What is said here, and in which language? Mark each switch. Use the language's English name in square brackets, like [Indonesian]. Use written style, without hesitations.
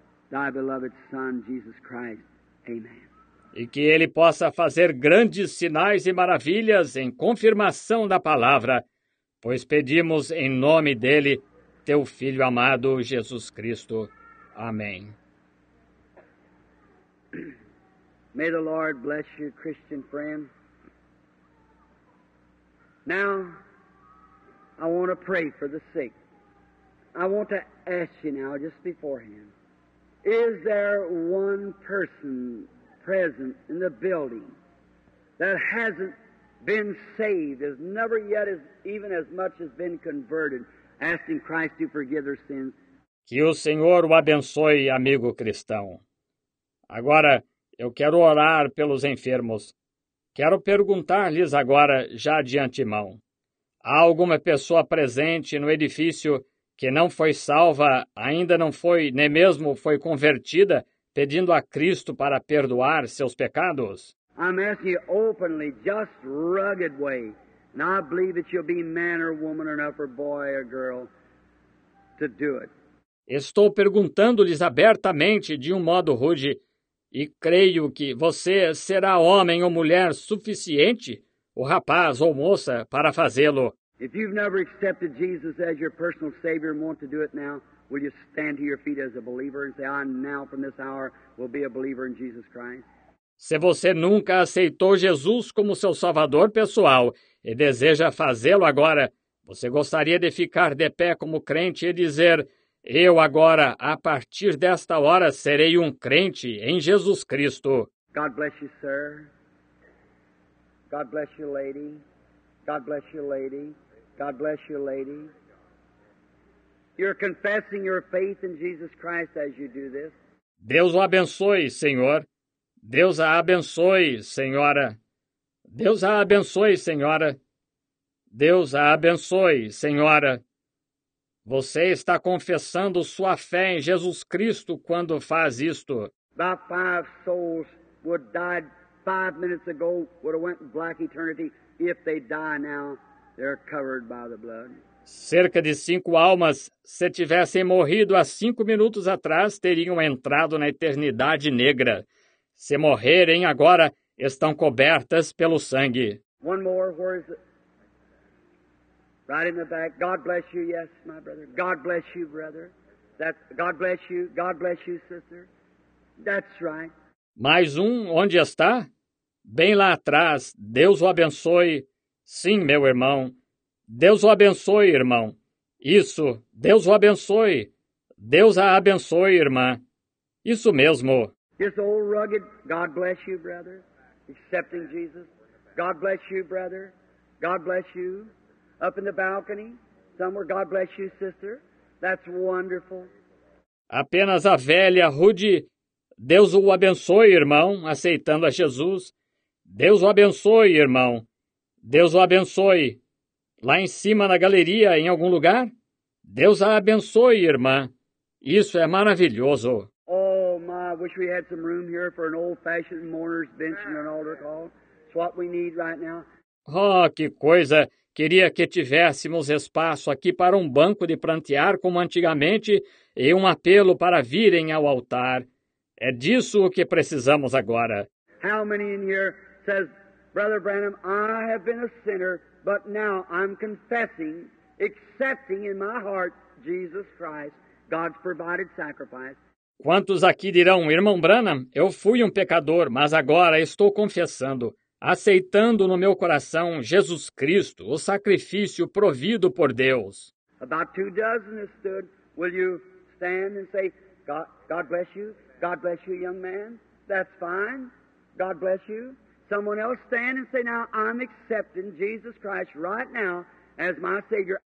[English] thy beloved Son, Jesus Christ. Amen. [Portuguese] E que ele possa fazer grandes sinais e maravilhas em confirmação da palavra, pois pedimos em nome dele, teu Filho amado, Jesus Cristo. Amém. [English] May the Lord bless you, Christian friend. Now, I want to pray for the sick. I want to ask you now, just beforehand, is there one person present in the building that hasn't been saved, has never yet as even as much as been converted, asking Christ to forgive their sins? [Portuguese] Que o Senhor o abençoe, amigo cristão. Agora, eu quero orar pelos enfermos. Quero perguntar-lhes agora, já de antemão. Há alguma pessoa presente no edifício que não foi salva, ainda não foi, nem mesmo foi convertida, pedindo a Cristo para perdoar seus pecados? [English] I'm asking you openly, just rugged way. And I believe that you'll be man or woman enough, or boy or girl, to do it. [Portuguese] Estou perguntando-lhes abertamente, de modo rude, e creio que você será homem ou mulher suficiente, o rapaz ou moça, para fazê-lo. [English] If you've never accepted Jesus as your personal Savior and want to do it now, will you stand to your feet as a believer and say, I now, from this hour, will be a believer in Jesus Christ? [Portuguese] Se você nunca aceitou Jesus como seu Salvador pessoal e deseja fazê-lo agora, você gostaria de ficar de pé como crente e dizer, eu agora, a partir desta hora, serei um crente em Jesus Cristo. [English] God bless you, sir. God bless you, lady. God bless you, lady. God bless you, lady. You're confessing your faith in Jesus Christ as you do this. [Portuguese] Deus o abençoe, Senhor. Deus a abençoe, Senhora. Deus a abençoe, Senhora. Deus a abençoe, Senhora. Você está confessando sua fé em Jesus Cristo quando faz isto. [English] About five souls would die 5 minutes ago, would have went to black eternity. If they die now, they're covered by the blood. [Portuguese] Cerca de 5 almas, se tivessem morrido há 5 minutos atrás, teriam entrado na eternidade negra. Se morrerem agora, estão cobertas pelo sangue. [English] One more, where is it? Right in the back. God bless you, yes, my brother. God bless you, brother. That, God bless you. God bless you, sister. That's right. [Portuguese] Mais um, onde está? Bem lá atrás. Deus o abençoe. Sim, meu irmão. Deus o abençoe, irmão. Isso, Deus o abençoe. Deus a abençoe, irmã. Isso mesmo. [English] This old rugged, God bless you, brother, accepting Jesus. God bless you, brother. God bless you. Up in the balcony, somewhere, God bless you, sister. That's wonderful. [Portuguese] Apenas a velha, rude, Deus o abençoe, irmão, aceitando a Jesus. Deus o abençoe, irmão. Deus o abençoe. Lá em cima na galeria, em algum lugar? Deus a abençoe, irmã. Isso é maravilhoso. [English] Oh, my, I wish we had some room here for an old-fashioned mourner's bench and an altar call. It's what we need right now. [Portuguese] Oh, que coisa! Queria que tivéssemos espaço aqui para um banco de prantear como antigamente e um apelo para virem ao altar. É disso que precisamos agora. [English] How many in here says, Brother Branham, I have been a sinner, but now I'm confessing, accepting in my heart Jesus Christ, God's provided sacrifice. [Portuguese] Quantos aqui dirão, irmão Branham, eu fui um pecador, mas agora estou confessando, aceitando no meu coração Jesus Cristo, o sacrifício provido por Deus. [English] About 2 dozen stood, will you stand and say, God bless you, God bless you, young man, that's fine, God bless you. Someone else stand and say, now I'm accepting Jesus Christ right now as my Savior.